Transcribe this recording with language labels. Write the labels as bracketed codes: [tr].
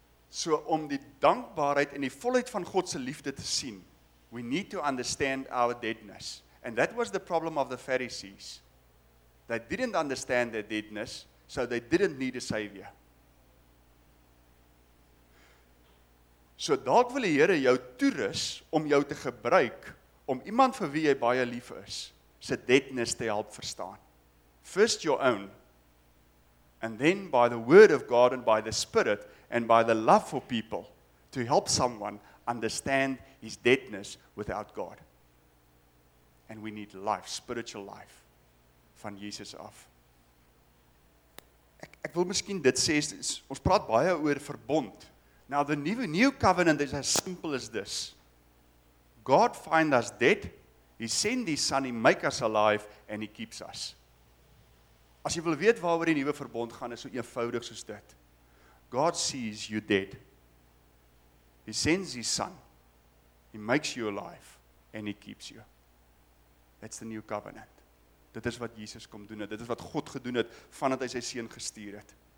[af] So om die dankbaarheid en die volheid van God se liefde te sien, we need to understand our deadness. [en] And that was the problem of the Pharisees. They didn't understand their deadness, so they didn't need a savior. [af] So dalk wil die Here jou toerus om jou te gebruik om iemand vir wie jy baie lief is, se deadness te help verstaan. [en] First your own, and then by the word of God and by the Spirit and by the love for people to help someone understand his deadness without God. And we need life, spiritual life, [af] van Jesus af. Ek wil miskien dit sê, ons praat baie oor verbond. [en] Now the new covenant is as simple as this. God find us dead, he send his son, he make us alive, and he keeps us. [af] As jy wil weet waaroor die nuwe verbond gaan, is so eenvoudig soos dit. [en] God sees you dead. He sends his son, he makes you alive, and he keeps you. That's the new covenant. [af] Dit is wat Jesus kom doen het, dit is wat God gedoen het, vandat hy sy seun gestuur het.